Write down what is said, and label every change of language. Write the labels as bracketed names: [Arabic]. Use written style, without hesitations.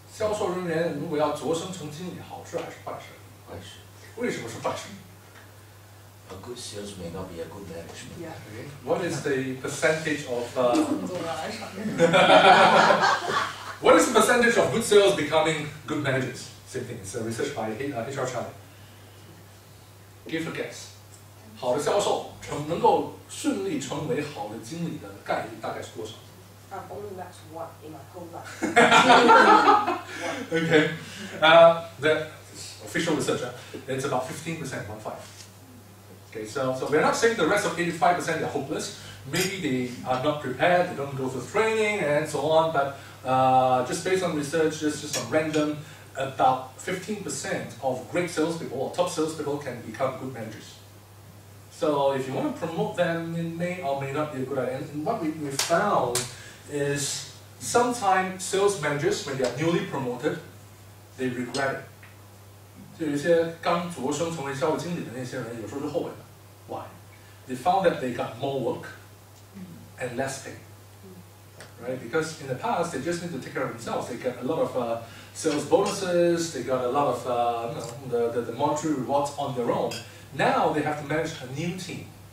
[Chinese] 销售人员如果要擢升成经理，好事还是坏事？坏事。为什么是坏事？ [English] A good sales may not be a good management. Yeah. Okay. What is the percentage of? What is the percentage of good sales becoming good managers? Same thing, it's a research by HR Charlie. Give a guess. [Chinese] 好的销售能够顺利成为好的经理的概率大概是多少? [English] I've only met one in my whole life. Okay. The official research, it's about 15%, 1.5. Okay, so we're not saying the rest of 85% are hopeless. Maybe they are not prepared, they don't go for training and so on, but Just based on research, just on random, about 15% of great salespeople or top salespeople can become good managers. So if you want to promote them, it may or may not be a good idea. And what we found is sometimes sales managers, when they are newly promoted, they regret it. [Chinese] 就有些刚主播生成为销售经理的那些人，有时候是后悔的。 [English] Why? They found that they got more work and less pay. Right? Because in the past, they just need to take care of themselves. They get a lot of sales bonuses, they got a lot of the monetary rewards on their own. Now they have to manage a new team.